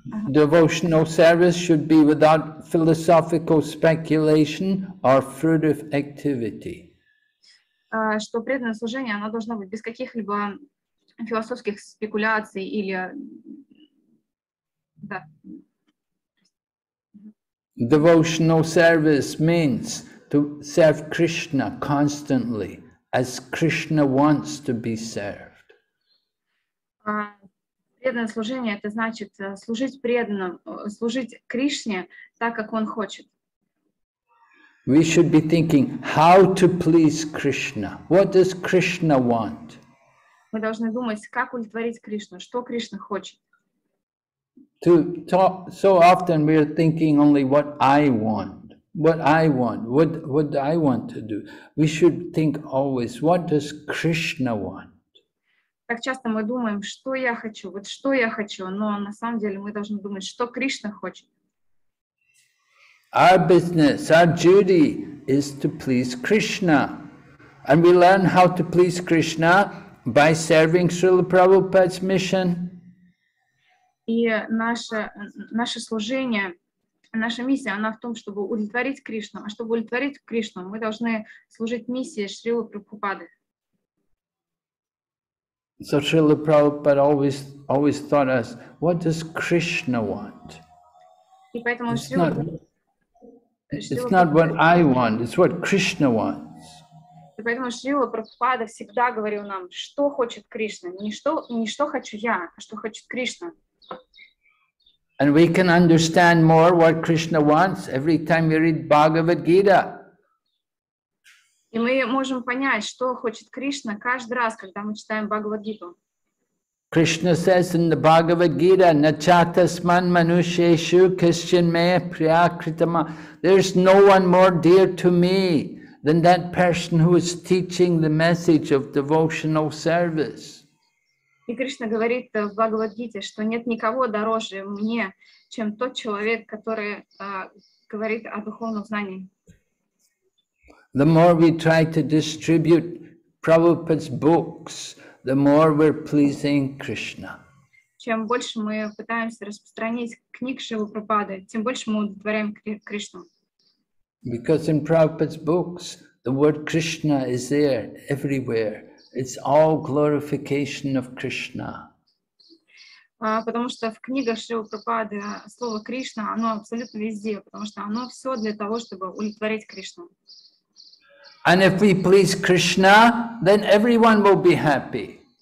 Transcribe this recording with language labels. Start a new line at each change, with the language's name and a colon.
English: Devotional service should be without philosophical speculation or fruitive activity.
Russian: Что преданное служение, оно должно быть без каких-либо философских спекуляций или... Да.
English: Devotional service means to serve Krishna constantly, as Krishna wants to be served.
Russian: Преданное служение — это значит служить преданным, служить Кришне так, как Он хочет.
English: We should be thinking how to please Krishna. What does Krishna want?
Russian: Мы должны думать, как удовлетворить Кришну, что Кришна хочет.
English: So often we are thinking only what I want, what I want, what I want to do. We should think always, what does Krishna want?
Russian: Так часто мы думаем, что я хочу, вот что я хочу, но на самом деле мы должны думать, что Кришна хочет.
English: Our business, our duty is to please Krishna. And we learn how to please Krishna by serving Srila Prabhupada's mission.
Russian: И наше служение, наша миссия, она в том, чтобы удовлетворить Кришну. А чтобы удовлетворить Кришну, мы должны служить миссии Шрилы Прабхупады.
English: So Srila Prabhupada always taught us, what does Krishna want?
Russian: И поэтому
English: It's not what I want, it's what Krishna wants.
Russian: И поэтому Шрила Прабхупада всегда говорил нам, что хочет Кришна, не что хочу я, а что хочет Кришна.
English: And we can understand more what Krishna wants every time we read Bhagavad Gita.
Russian: И мы можем понять, что хочет Кришна каждый раз, когда мы читаем Бхагавад Гиту.
English: Krishna says in the Bhagavad Gita,
Sanskrit: Nachatasman Manusheshu Kishin Maya Priyakritama.
English: There's no one more dear to me than that person who is teaching the message of devotional service.
Russian: И Кришна говорит в Бхагавад-гите, что нет никого дороже мне, чем тот человек, который говорит о духовном знании.
English: The more we try to distribute Prabhupada's books, the more we're pleasing Krishna.
Russian: Чем больше мы пытаемся распространить книг Шрилы Прабхупады, тем больше мы удовлетворяем Кришну.
English: Because in Prabhupada's books, the word Krishna is there everywhere. It's all glorification of Krishna.
Russian: Потому что в книгах Шрилы Прабхупады слово Кришна, оно абсолютно везде, потому что оно все для того, чтобы удовлетворить Кришну.
English: And if we please Krishna, then everyone will be happy.